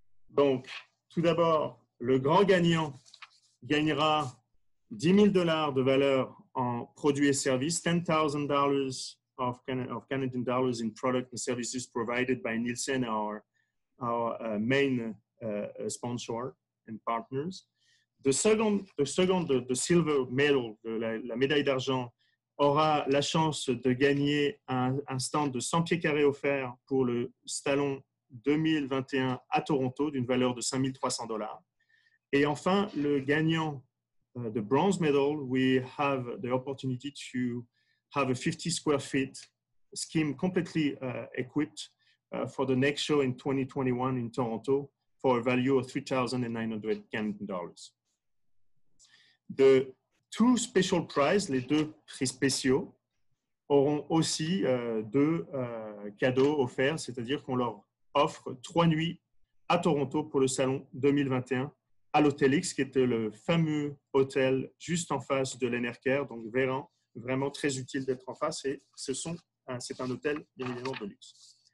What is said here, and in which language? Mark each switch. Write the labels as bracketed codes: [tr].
[fr] Donc, tout d'abord, le grand gagnant gagnera $10,000 de valeur en produits et services, [en] $10,000 of Canadian dollars in product and services provided by Nielsen, our main sponsor and partners. The silver medal, [fr] la médaille d'argent, aura la chance de gagner un stand de 100 pieds carrés offert pour le Salon 2021 à Toronto d'une valeur de $5,300. Et enfin, le gagnant de [en] bronze medal, we have the opportunity to have a 50 square feet scheme completely equipped for the next show in 2021 in Toronto for a value of $3,900. The two special prizes, [fr] les deux prix spéciaux, auront aussi deux cadeaux offerts, c'est-à-dire qu'on leur offre 3 nuits à Toronto pour le Salon 2021 à l'Hôtel X, qui était le fameux hôtel juste en face de l'Enercare, donc vraiment très utile d'être en face, et c'est un hôtel bien évidemment de luxe.